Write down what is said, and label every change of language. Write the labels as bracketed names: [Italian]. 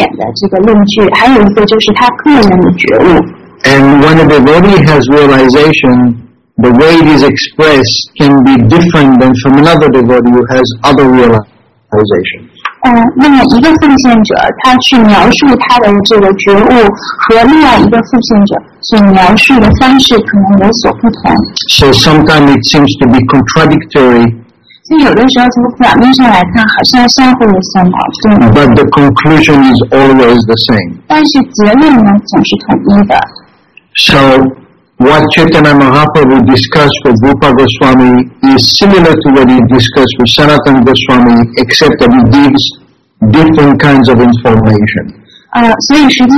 [Chinese] 那当奉行者要去探讨一个哲学的问题的时候，他往往会用两个渠道来进行佐证。一个呢，就是说是他的通过这个经典，依照经典的这个论据；还有一个就是他个人的觉悟。 [English] And when a devotee has realization, the way it is expressed can be different than from another devotee who has other realizations. [Chinese] 那么一个奉献者，他去描述他的这个觉悟，和另外一个奉献者所描述的方式可能有所不同。 [English] So sometimes it seems to be contradictory. [Chinese] 所以有的时候从表面上来看，好像相互有所矛盾。 [English] But the conclusion is always the same. [Chinese] 但是结论呢，总是统一的。 [English] So what Chaitanya Mahaprabhu discussed with Rupa Goswami is similar to what he discussed with Sanatana Goswami, except that he gives different kinds of information.